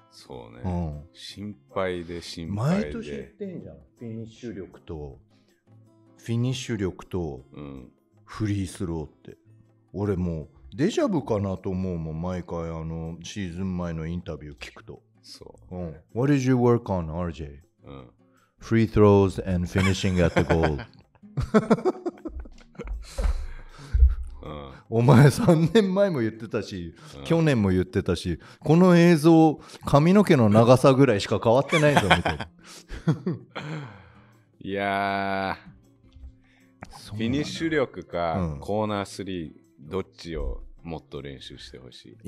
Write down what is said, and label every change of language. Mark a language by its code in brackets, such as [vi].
[ja] そうね、うん、心配で心配で毎年言ってんじゃんフィニッシュ力とフィニッシュ力とフリースローって、うん、俺もうデジャブかなと思うもん毎回あのシーズン前のインタビュー聞くとそう、 [en] うん、What did you work on RJ?、 [ja] うん、 [en] Free throws and finishing at the goal 、 [ja] うん、お前3年前も言ってたし、うん、去年も言ってたしこの映像髪の毛の長さぐらいしか変わってないぞみたいないやフィニッシュ力か、うん、コーナー3どっちをもっと練習してほしい